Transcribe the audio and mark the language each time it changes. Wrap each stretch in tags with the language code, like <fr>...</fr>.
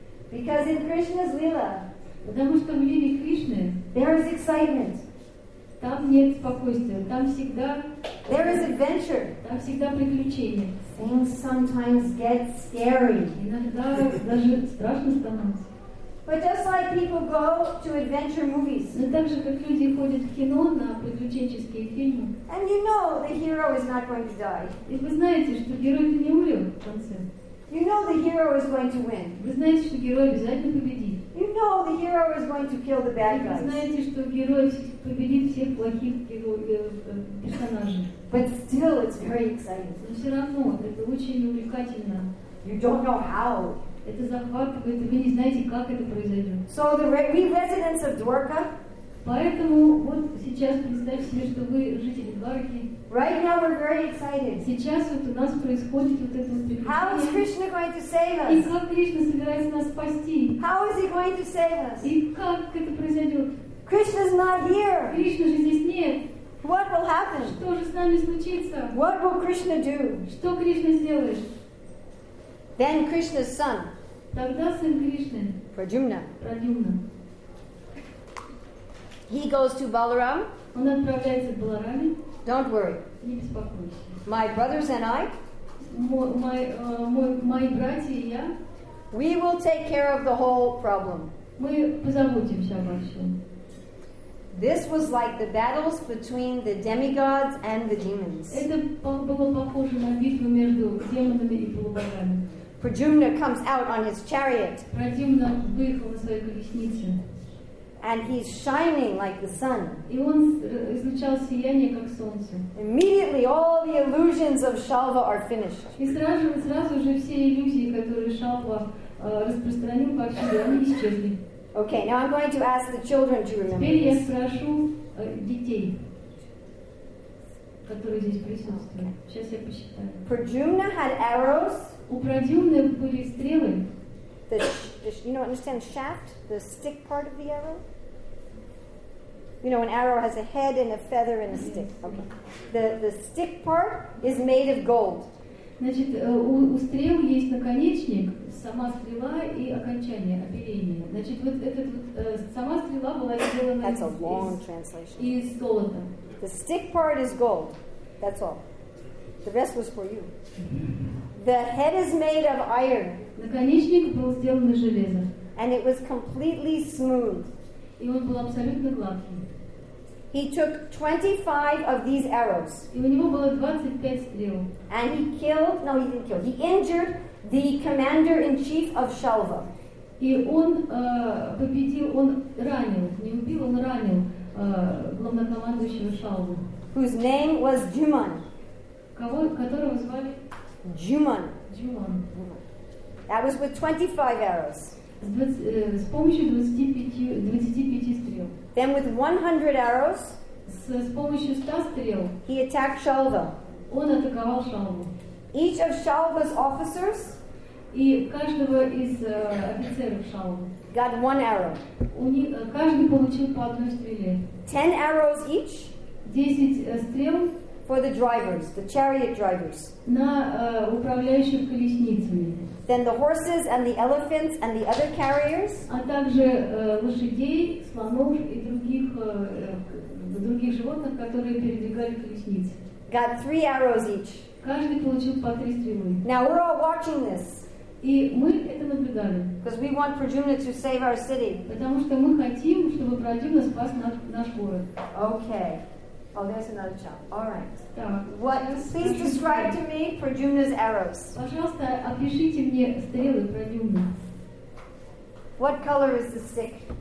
<en>Because in Krishna's lila,</en> <ru>потому что в лиле Кришны,</ru> <en>there is excitement.</en> <ru>Там нет спокойствия. Там всегда.</ru> <en>There is adventure.</en> <ru>Там всегда приключения.</ru> <en>Things sometimes get scary.</en> <ru>Иногда даже страшно становится.</ru> <en>But just like people go to adventure movies.</en> <ru>Но так же, как люди ходят в кино на приключенческие фильмы.</ru> <en>And you know the hero is not going to die.</en> <ru>И вы знаете, что герой-то не умрет в конце.</ru> <en>You know the hero is going to win.</en> <ru>Вы знаете, что герой обязательно победит.</ru> <en>You know the hero is going to kill the bad guys.</en> <ru>Вы знаете, что герой победит всех плохих персонажей.</ru> <en>But still, it's very exciting.</en> <ru>Но все равно это очень увлекательно.</ru> <en>You don't know how.</en> <ru>Это захватывает, вы не знаете, как это произойдет.</ru> <en>So the residents of Dwarka.</en> <ru>Поэтому вот сейчас представьте себе, что вы жители Дварки.</ru> <en>Right now we're very excited.</en> <ru>Сейчас вот у нас происходит вот это вот.</ru> <en>How is Krishna going to save us?</en> <ru>И как Кришна собирается нас спасти?</ru> <en>How is he going to save us?</en> <ru>И как это произойдет?</ru> <en>Krishna's not here.</en> <ru>Кришна же здесь нет.</ru> <en>What will happen?</en> <ru>Что же с нами случится?</ru> <en>What will Krishna do?</en> <ru>Что Кришна сделает?</ru> <en>Then Krishna's son.</en> <ru>Тогда сын Кришны. Праджумна. Праджумна.</ru> <en>He goes to Balaram.</en> <ru>Он отправляется к Баларами.</ru> <en>Don't worry.</en> <ru>Не беспокойся.</ru> <en>My brothers and I.</en> <ru>Мои братья и я.</ru> <en>We will take care of the whole problem.</en> <ru>Мы позаботимся обо всем.</ru> <en>This was like the battles between the demigods and the demons.</en> <ru>Это было похоже на битву между демонами и полубогами.</ru> <en>Prajumna comes out on his chariot.</en> <ru>Prajumna выехал на своей колеснице.</ru> <en>And he's shining like the sun.</en> <ru>И он излучал сияние как солнце.</ru> <en>Immediately, all the illusions of Shalva are finished.</en> <ru>И сразу же все иллюзии, которые Шалва распространил повсюду, они исчезли.</ru> <en>Okay, now I'm going to ask the children to remember.</en> <ru>Теперь я спрошу детей, которые здесь присутствуют. Сейчас я посчитаю.</ru> <en>Prajumna had arrows.</en> <ru>У Прадюмны были стрелы.</ru> <en>You know, understand the shaft, the stick part of the arrow. You know, an arrow has a head and a feather and a stick. Okay. The stick part is made of gold.</en> <ru>Значит, у стрел есть наконечник, сама стрела и окончание, оперение. Значит, вот этот сама стрела была сделана.</ru> <en>That's a long translation.</en> <ru>Из золота.</ru> <en>The stick part is gold. That's all. The rest was for you. The head is made of iron.</en> <ru>Наконечник был сделан из железа.</ru> <en>And it was completely smooth.</en> <ru>И он был абсолютно гладкий.</ru> <en>He took 25 of these arrows.</en> <ru>И у него было 25 стрел.</ru> <en>And he killed, no, he didn't kill. He injured the commander-in-chief of Shalva.</en> <ru>И он победил, он ранил, не убил, он ранил главнокомандующего Шалву.</ru> <en>Whose name was Juman.</en> <ru>Которого звали?</ru> <en>Juman. Juman. That was with 25 arrows.</en> <ru>С помощью 25 стрел.</ru> <en>Then with 100 arrows,</en> <ru>с помощью 100 стрел,</ru> <en>he attacked Shalva.</en> <ru>Он атаковал Шалву.</ru> <en>Each of Shalva's officers,</en> <ru>и каждого из офицеров Шалвы,</ru> <en>got one arrow.</en> <ru>Каждый получил по одной стреле.</ru> <en>10 arrows each.</en> <ru>10 стрел.</ru> <en>For the drivers, the chariot drivers.</en> <ru>На управляющих колесницами.</ru> <en>Then the horses and the elephants and the other carriers.</en> <ru>А также лошадей, слонов и других животных, которые передвигали колесницы.</ru> <en>Got 3 arrows each.</en> <ru>Каждый получил по 3 стрелы.</ru> <en>Now we're all watching this.</en> <ru>И мы это наблюдали.</ru> <en>Because we want Prajumna to save our city.</en> <ru>Потому что мы хотим, чтобы Прадюмна спас наш город.</ru> <en>Okay. Oh, there's another child. All right. What? Please describe to me Prajumna's arrows.</en> <ru>Пожалуйста, опишите мне стрелы Прадюмны.</ru> <en>What color is the stick?</en>